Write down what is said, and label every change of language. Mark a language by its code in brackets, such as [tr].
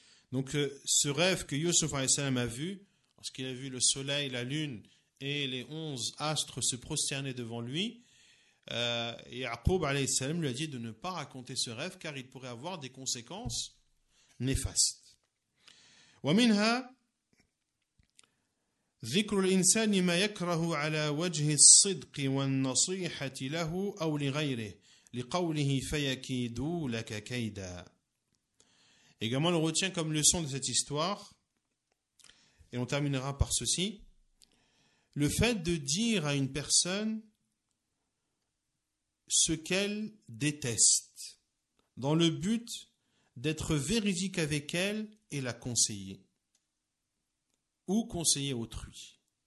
[fr] Donc ce rêve que Youssouf alayhi salam a vu, lorsqu'il a vu le soleil, la lune et les 11 astres se prosterner devant lui, Yaqub alayhi salam lui a dit de ne pas raconter ce rêve car il pourrait avoir des conséquences néfastes. [ar] ومنها ذكر الإنسان ما يكره على وجه الصدق والنصيحة له أو لغيره لقوله فيكيدوا لك كيدا. [fr] Également, on retient comme leçon de cette histoire, et on terminera par ceci, le fait de dire à une personne ce qu'elle déteste, dans le but d'être véridique avec elle et la conseiller, ou conseiller autrui.